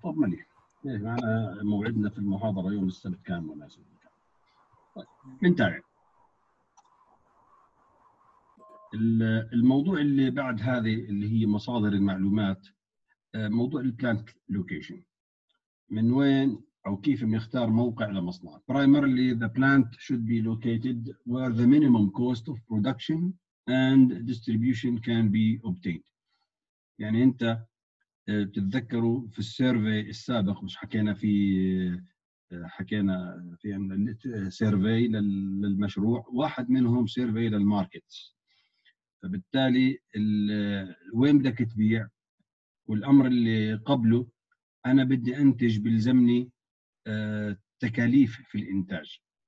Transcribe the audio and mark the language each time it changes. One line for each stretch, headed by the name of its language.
Arabic: طب مليح، ايه معنا موعدنا في المحاضرة يوم السبت كان مناسب. طيب من تاعي الموضوع اللي بعد هذه اللي هي مصادر المعلومات، موضوع البلانت لوكيشن، من وين او كيف بنختار موقع لمصنع.
English: Primarily the plant should be located where the minimum cost of production and distribution can be obtained.
Arabic: يعني انت بتتذكروا في السيرفي السابق، مش حكينا في عندنا سيرفي للمشروع، واحد منهم سيرفي للماركت. فبالتالي وين بدك تبيع، والامر اللي قبله انا بدي انتج بلزمني تكاليف في الانتاج.